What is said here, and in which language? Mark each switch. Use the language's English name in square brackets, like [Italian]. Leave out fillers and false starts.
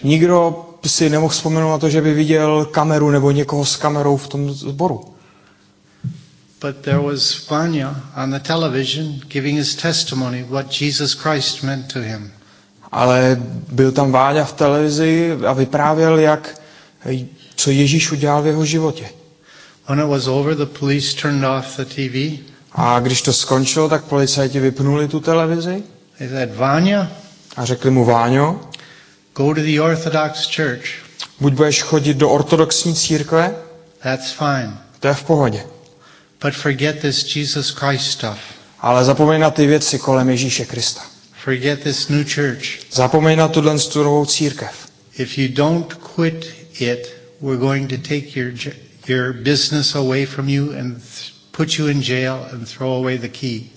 [Czech] Nikdo si nemohl vzpomenout na to, že by viděl kameru nebo někoho s kamerou v tom sboru. [English] But there was Vanya on the television giving his testimony what Jesus Christ meant to him. [Czech] Ale byl tam Váňa v televizi a vyprávěl, jak co Ježíš udělal v jeho životě. [English] When it was over, the police turned off the TV. [Czech] A když to skončilo, tak policajti vypnuli tu televizi. [English] They said, Vanya, [Czech] a řekli mu, Váňo, [English] go to the Orthodox church. [Czech] Buď budeš chodit do ortodoxní církve, [English] that's fine. [Czech] To je v pohodě. [English] But forget this Jesus Christ stuff. [Czech] Ale zapomeň na ty věci kolem Ježíše Krista. [English] Forget this new church. [Czech] Zapomeň na tuhle novou církev. [English] If you don't quit it, we're going to take your business away from you and put you in jail and throw away the key.